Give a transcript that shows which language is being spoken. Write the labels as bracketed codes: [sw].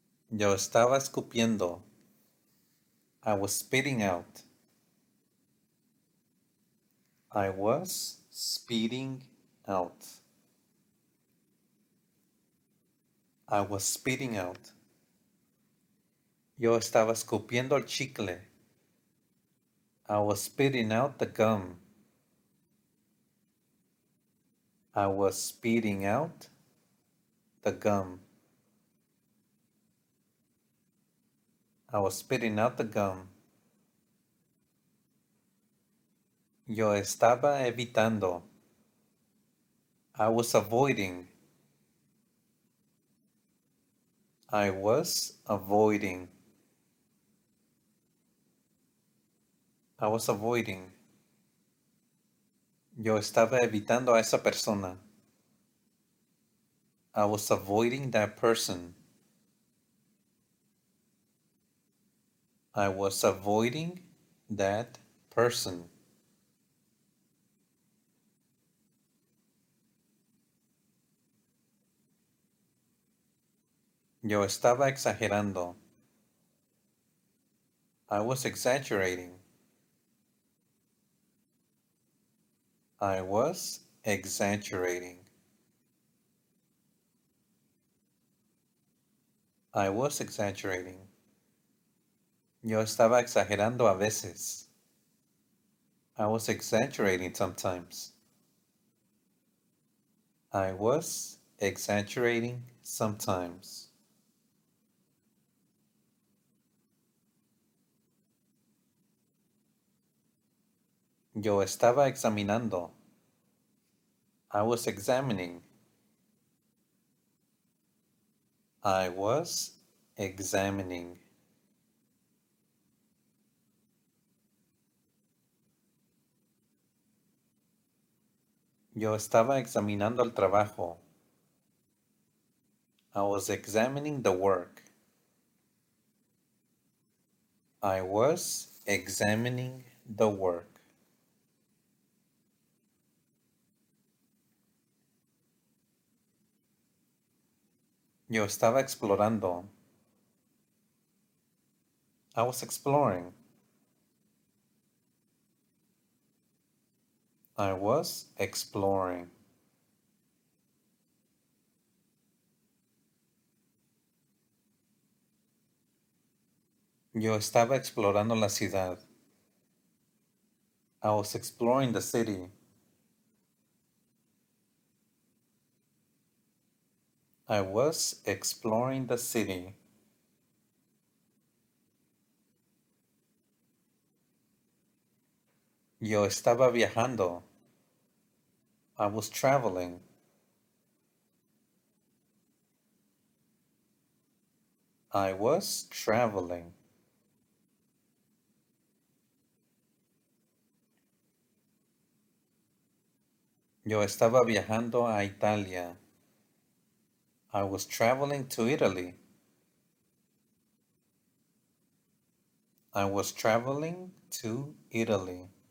[es] Yo estaba escupiendo. [en] I was spitting out. I was spitting out. I was spitting out. [es] Yo estaba escupiendo el chicle. [en] I was spitting out the gum. I was spitting out the gum. I was spitting out the gum. [es] Yo estaba evitando. [en] I was avoiding. I was avoiding. I was avoiding. [es] Yo estaba evitando a esa persona. [en] I was avoiding that person. I was avoiding that person. [es] Yo estaba exagerando. [en] I was exaggerating. I was exaggerating. I was exaggerating. [es] Yo estaba exagerando a veces. [en] I was exaggerating sometimes. I was exaggerating sometimes. [es] Yo estaba examinando. [en] I was examining. I was examining. [es] Yo estaba examinando el trabajo. [en] I was examining the work. I was examining the work. [es] Yo estaba explorando. [en] I was exploring. I was exploring. [es] Yo estaba explorando la ciudad. [en] I was exploring the city. I was exploring the city. [es] Yo estaba viajando. [en] I was traveling. I was traveling. [es] Yo estaba viajando a Italia. [en] I was traveling to Italy. I was traveling to Italy.